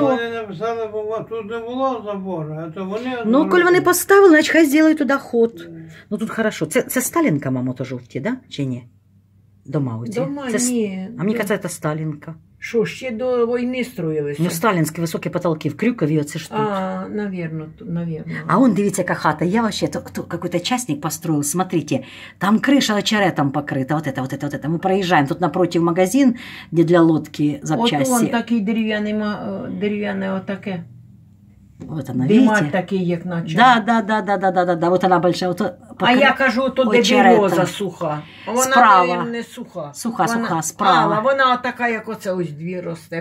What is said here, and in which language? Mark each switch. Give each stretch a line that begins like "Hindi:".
Ukrainian: Вони написали, бо тут не було забору, а то вони... Ну, коли вони поставили, значить хай зробить туди ход. Ну, тут хорошо. Це Сталінка, мамо, то жовті, да? Чи ні? Дома у тебе? А мені кажуть, це Сталінка. Що, ще до війни строїлися? Ну, сталінські високі потолки в Крюкові, оце ж тут. А, навірно, навірно. А он, дивіться, яка хата.
Russian: Я вообще какой-то частник построил. Смотрите, там криша очеретом покрита. Вот это, вот это, вот это. Мы проезжаем. Тут напротив магазин, где для лодки запчасти.
Ukrainian: От вон такий дерев'яний, дерев'яний отаке.
Russian: Вот она, бимар, видите? Бимар
Ukrainian: такий, як наче.
Russian: Да. Вот она большая. Вот
Ukrainian: а я кажу, то де береза суха. Вона справа. Не суха. Суха, вона... суха, справа. А, вона така, як оце ось дві росте.